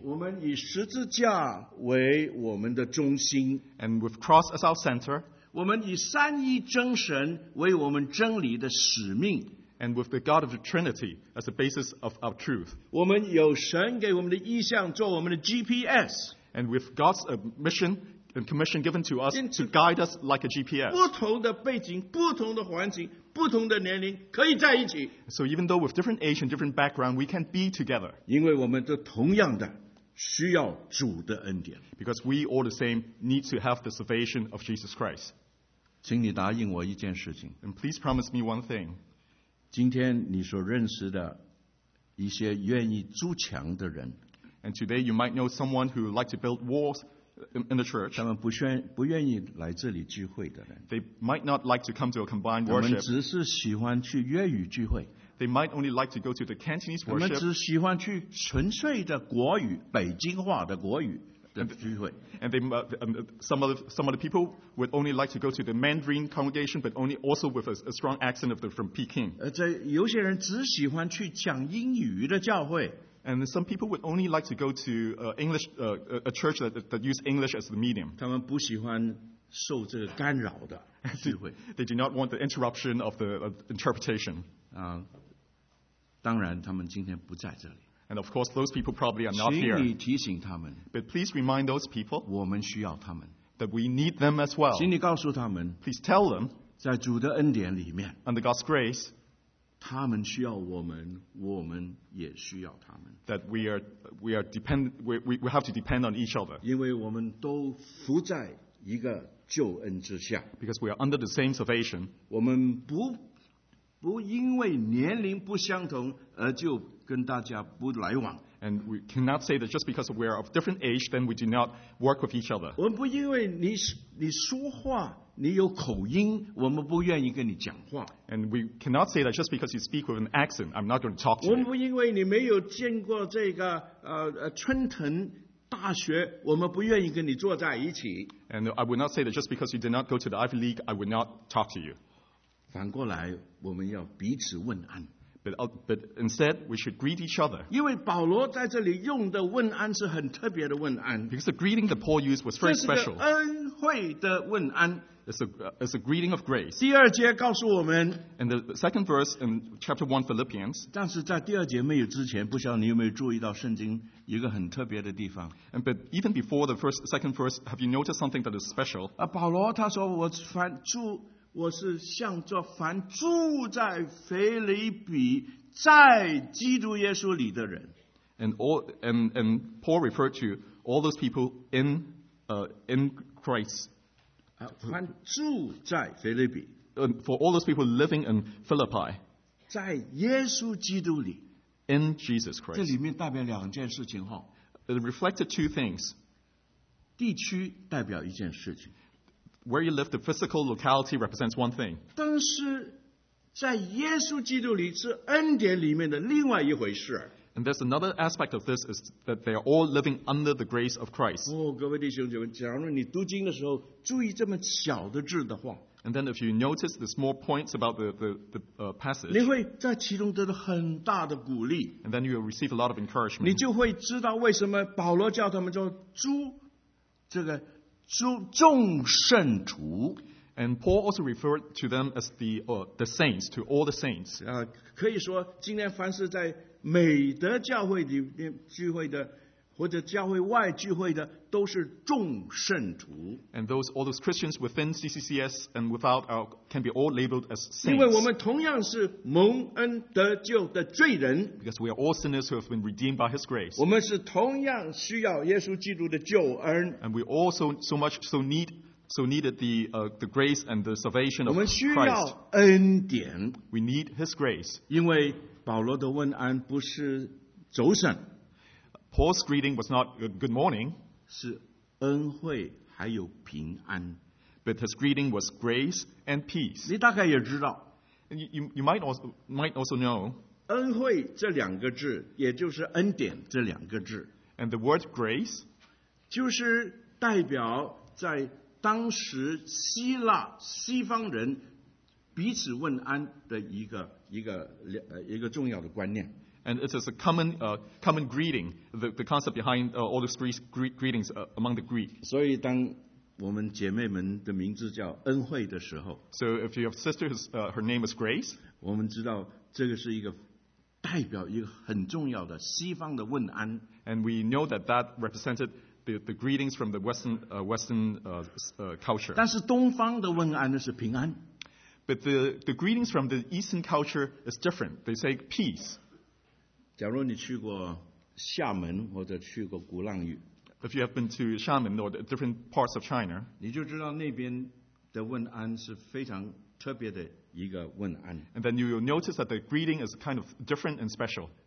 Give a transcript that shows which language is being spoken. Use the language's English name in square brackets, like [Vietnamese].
[Chinese] 我们以十字架为我们的中心。 [English] And with cross as our center. [Chinese] 我们以三一真神为我们真理的使命。 [English] And with the God of the Trinity as the basis of our truth. [Chinese] 我们有神给我们的意象做我们的 GPS。 [English] And with God's mission and commission given to us to guide us like a GPS. [Chinese] 不同的背景，不同的环境，不同的年龄，可以在一起。 [English] So even though with different age and different background, we can be together. [Chinese] 因为我们都同样的需要主的恩典。 [English] Because we all the same need to have the salvation of Jesus Christ. [Chinese] 请你答应我一件事情。 [English] And please promise me one thing. [Chinese] 今天你所认识的一些愿意筑墙的人。 [English] And today you might know someone who would like to build walls in the church. [Chinese] 他们不愿意来这里聚会的人。 [English] They might not like to come to a combined worship. [Chinese] 他们只是喜欢去粤语聚会。 [English] They might only like to go to the Cantonese worship. [Chinese] 他们只喜欢去纯粹的国语，北京话的国语的聚会。 [English] And they, some of the people would only like to go to the Mandarin congregation, but only also with a strong accent of from Peking. [Chinese] 有些人只喜欢去讲英语的教会。 [English] And some people would only like to go to English, a church that uses English as the medium. [Chinese] 他们不喜欢受这个干扰的聚会。 [English] They do not want the interruption of the interpretation. [Chinese] 当然他们今天不在这里。 [English] And of course, those people probably are not here. [Chinese] 请你提醒他们。 [English] But please remind those people. [Chinese] 我们需要他们。 [English] That we need them as well. [Chinese] 请你告诉他们。 [English] Please tell them. [Chinese] 在主的恩典里面。 [English] Under God's grace. [Chinese] 他们需要我们，我们也需要他们。 [English] That we have to depend on each other. [Chinese] 因为我们都浮在一个救恩之下。 [English] Because we are under the same salvation. [Chinese] 我们不因为年龄不相同而就跟大家不来往。 [English] And we cannot say that just because we are of different age, then we do not work with each other. [Chinese] 我们不因为你说话。你有口音，我们不愿意跟你讲话。 [English] And we cannot say that just because you speak with an accent, I'm not going to talk to you. [Chinese] 我们不因为你没有见过这个春藤大学，我们不愿意跟你坐在一起。 [English] And I would not say that just because you did not go to the Ivy League, I would not talk to you. [Chinese] 反过来，我们要彼此问安。 [English] But instead, we should greet each other. [Chinese] 因为保罗在这里用的问安是很特别的问安。 [English] Because the greeting that Paul used was very special. [Chinese] 这是个恩惠的问安。 [English] It's a greeting of grace. [Chinese] 第二节告诉我们。 [English] And the second verse in chapter 1 Philippians. [Chinese] 但是在第二节没有之前，不晓得你有没有注意到圣经一个很特别的地方。 [English] And but even before the first, second verse, have you noticed something that is special? [Chinese] 保罗他说我是向着凡住在腓立比，在基督耶稣里的人。 [English] And Paul referred to all those people in Christ. [Chinese] 凡住在腓立比。 [English] For all those people living in Philippi. [Chinese] 在耶稣基督里。 [English] In Jesus Christ. [Chinese] 这里面代表两件事情哈。 [English] It reflected two things. [Chinese] 地区代表一件事情。 [English] Where you live, the physical locality represents one thing. [Chinese] 但是在耶稣基督里是恩典里面的另外一回事。 [English] And there's another aspect of this is that they are all living under the grace of Christ. [Chinese] 哦，各位弟兄姐妹，假如你读经的时候注意这么小的字的话。 [English] And then if you notice the small points about the passage. [Chinese] 你会在其中得到很大的鼓励。 [English] And then you will receive a lot of encouragement. [Chinese] 你就会知道为什么保罗叫他们叫猪这个。众圣徒 [English] and Paul also referred to them as the saints, to all the saints. [Chinese] 可以说今天凡是在美德教会里面聚会的或者教会外聚会的都是众圣徒 [English] and all those Christians within CCCS and without can be all labeled as saints. [Chinese] 因为我们同样是蒙恩得救的罪人 [English] because we are all sinners who have been redeemed by His grace. [Chinese] 我们是同样需要耶稣基督的救恩 [English] and we also so needed the grace and the salvation of Christ. [Chinese] 我们需要恩典 [English] we need His grace. [Chinese] 因为保罗的问安不是走散。 [English] Paul's greeting was not a good morning. [Chinese] 是恩惠还有平安。 [English] But his greeting was grace and peace. [Chinese] 你大概也知道。 [English] You might also know. [Chinese] 恩惠这两个字也就是恩典这两个字。 [English] And the word grace. [Chinese] 就是代表在当时希腊西方人彼此问安的一个重要的观念。 [English] And it is a common greeting, the concept behind all the three greetings among the Greek. [Chinese] 所以当我们姐妹们的名字叫恩惠的时候 [English] So if you have sisters, her name is Grace. [Chinese] 我们知道这个是一个代表一个很重要的西方的问安 [English] And we know that represented the greetings from the Western culture. [Chinese] 但是东方的问安是平安 [English] But the greetings from the Eastern culture is different. They say peace. [Chinese] 假如你去过厦门或者去过鼓浪屿 [English] ，If you have been to 厦门 or the different parts of China， [Chinese] 你就知道那边的问安是非常特别的一个问安。 [English] And then you will notice that the greeting is kind of different and special。